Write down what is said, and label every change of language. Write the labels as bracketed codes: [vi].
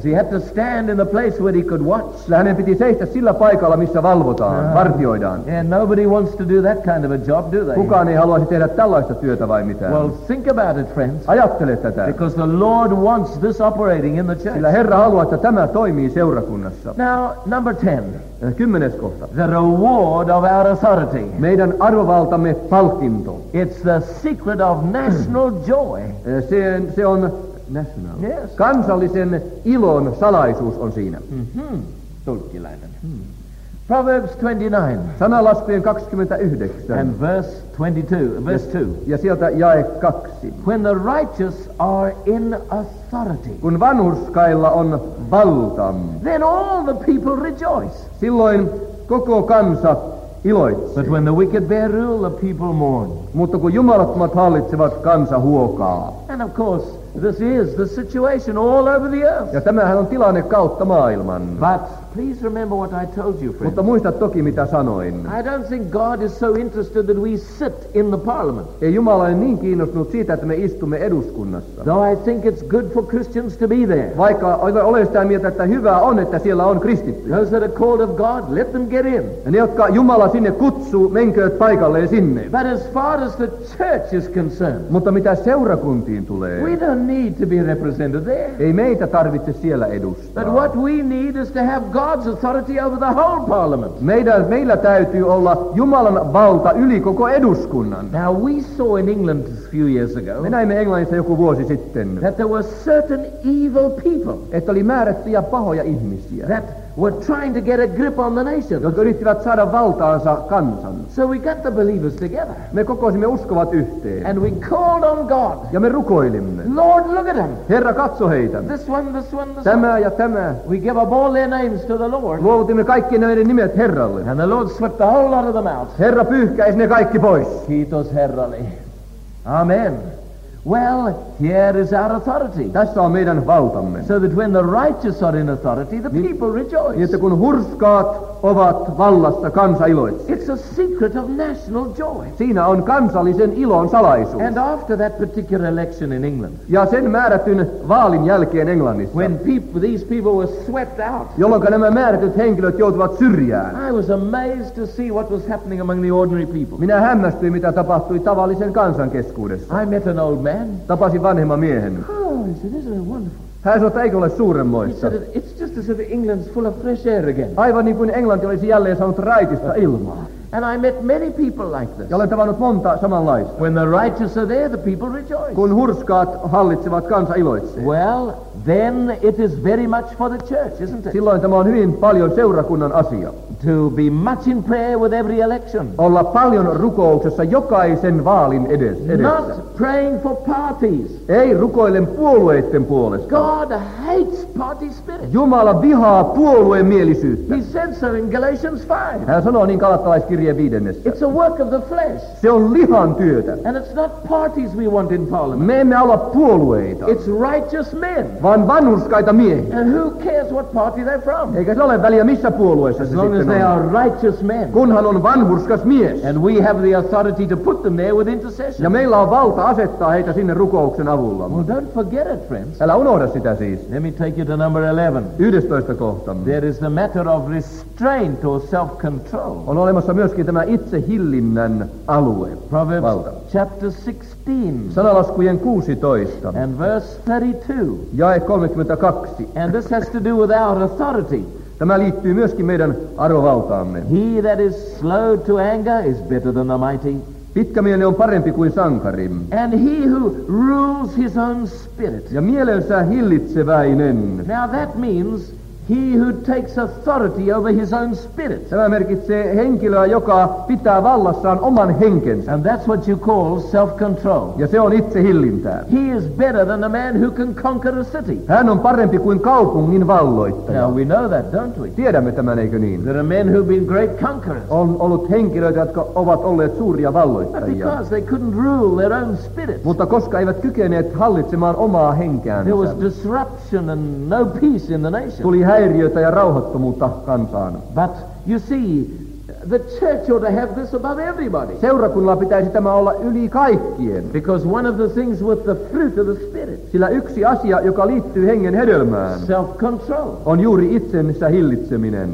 [en] He had to stand in the place where he could watch. [fi] Hänen piti seistä sillä paikalla, missä valvotaan, vartioidaan. [en] And nobody wants to do that kind of a job, do they? [fi] Kukaan ei haluaisi tehdä tällaista työtä vai mitään? [en] Well, think about it, friends. [fi] Ajattele tätä. [en] Because the Lord wants this operating in the church. [fi] Sillä Herra haluaa, että tämä toimii seurakunnassa. [en] Now, number 10. [fi] Kymmenes kohta. [en] The reward of our authority. [fi] Meidän arvovaltamme palkinto. [en] It's the secret of national joy. [fi] Se on [en] national. Yes. [fi] Kansallisen ilon salaisuus on siinä. Tulkkilainen. [en] Proverbs 29. [fi] Sanalaskujen 29. [en] And verse 22. Verse 2. [fi] Ja sieltä jae 2. [en] When the righteous are in authority. [fi] Kun vanhurskailla on valta. [en] Then all the people rejoice. [fi] Silloin koko kansa iloitsee. [en] But when the wicked bear rule, the people mourn. [fi] Mutta kun jumalattomat hallitsevat, kansa huokaa. [en] And of course, this is the situation all over the earth. [fi] Ja tämähän on tilanne kautta maailman. [en] But please remember what I told you, friend. [fi] Mutta muista toki, mitä sanoin. [en] I don't think God is so interested that we sit in the parliament. [fi] Ei Jumala ole niin kiinnostunut siitä, että me istumme eduskunnassa. [en] Though I think it's good for Christians to be there. [fi] Vaikka olen sitä mieltä, että hyvä on, että siellä on kristitty. [en] Those that are called of God, let them get in. [fi] Ja ne, jotka Jumala sinne kutsuu, menkööt paikalleen sinne. [en] But as far as the church is concerned. [fi] Mutta mitä seurakuntiin tulee. [en] We don't need to be represented there. [fi] Ei meitä tarvitse siellä edustaa. [en] But what we need is to have God's authority over the whole parliament. [fi] Meillä täytyy olla Jumalan valta yli koko eduskunnan. [en] Now we saw in England a few years ago. [fi] Me näimme Englannissa joku vuosi sitten. [en] That there were certain evil people. [fi] Että oli määrättyjä pahoja ihmisiä. [en] That were trying to get a grip on the nation. [fi] Jotka yrittivät saada valtaansa kansan. [en] So we got the believers together. [fi] Me kokoisimme uskovat yhteen. [en] And we called on God. [fi] Ja me rukoilimme. [en] Lord, look at them. [fi] Herra, katso heitä. [en] This one, this one, this [fi] tämä Tämä ja tämä. [en] We gave up all their names to the Lord. [fi] Luovutimme kaikki näiden nimet Herralle. [en] And the Lord swept the whole lot of them out. [fi] Herra pyyhkäisi ne kaikki pois. Kiitos Herralle. [en] Amen. Well, here is our authority. [fi] Tässä on meidän valtamme. [en] So that when the righteous are in authority, the people rejoice. [fi] Niin, että kun hurskaat ovat vallassa, kansa iloitsee. [en] It's a secret of national joy. [fi] Siinä on kansallisen ilon salaisuus. [en] And after that particular election in England. [fi] Ja sen määrätyn vaalin jälkeen Englannissa. [en] When these people were swept out. [fi] Jolloin nämä määrätyt henkilöt joutuvat syrjään. [en] I was amazed to see what was happening among the ordinary people. [fi] Minä hämmästyin, mitä tapahtui tavallisen kansan keskuudessa. [en] I met an old man. [fi] Tapasin vanhemman miehen. [en] Oh, isn't it wonderful? [fi] Hän sanoi, että eikö ole suuremmoista. [en] It's just as if England's full of fresh air again. [fi] Aivan niin kuin Englanti olisi jälleen saanut raitista ilmaa. [en] And I met many people like this. [fi] Ja olen tavannut monta samanlaista. [en] When the righteous are there, the people rejoice. [fi] Kun hurskaat hallitsevat, kansa iloitsee. [en] Well, then it is very much for the church, isn't it? [fi] Silloin tämä on hyvin paljon seurakunnan asia. [en] To be much in prayer with every election. [fi] Olla paljon rukouksessa jokaisen vaalin edessä. [en] Not praying for parties. [fi] Ei rukoilen puolueiden puolesta. [en] God hates party spirit. [fi] Jumala vihaa puoluemielisyyttä. [en] He said so in Galatians 5. [fi] Hän sanoo niin Galattalaiskirje 5. [en] It's a work of the flesh. [fi] Se on lihan työtä. [en] And it's not parties we want in parliament. [fi] Me emme halua puolueita. [en] It's righteous men. [fi] Vaan vanhurskaita miehiä. [en] And who cares what party they're from? [fi] Eikä se ole väliä, missä puolueessa se sitten on. [en] As long as they are righteous men. [fi] Kunhan on vanhurskas mies. [en] And we have the authority to put them there with intercession. [fi] Ja meillä on valta asettaa heitä sinne rukouksen avulla. [en] Well, don't forget it, friends. [fi] Älä unohda sitä siis. [en] Let me take you to number 11. [fi] 11. Kohtamme. [en] There is the matter of restraint or self-control. [fi] On olemassa myöskin tämä itsehillinnän alue. [en] Proverbs [fi] valta. [en] Chapter 16. [fi] Sanalaskujen 16. [en] And verse 32. [fi] Jae 32. [en] And this has to do with our authority. [fi] Tämä liittyy myöskin meidän arvovaltaamme. [en] He that is slow to anger is better than the mighty. [fi] Pitkämielinen on parempi kuin sankari. [en] And he who rules his own spirit. [fi] Ja mielensä hillitseväinen. [en] Now that means he who takes authority over his own spirit. [fi] Tämä merkitsee henkilöä, joka pitää vallassaan oman henkensä. [en] And that's what you call self-control. [fi] Ja se on itsehillintää. [en] He is better than a man who can conquer a city. [fi] Hän on parempi kuin kaupungin valloittaja. [en] Now we know that, don't we? [fi] Tiedämme tämän, eikö niin? [en] There are men who've been great conquerors. [fi] On ollut henkilöitä, jotka ovat olleet suuria valloittajia. [en] But because they couldn't rule their own spirit. [fi] Mutta koska eivät kykeneet hallitsemaan omaa henkeänsä. [en] There was disruption and no peace in the nation. [fi] Häiriötä ja rauhattomuutta kansaan. [en] But you see, the church ought to have this above everybody. [fi] Seurakunnalla pitäisi tämä olla yli kaikkien. [en] Because one of the things with the fruit of the spirit. [fi] Sillä yksi asia, joka liittyy hengen hedelmään. [en] Self-control. [fi] On juuri itsensä hillitseminen.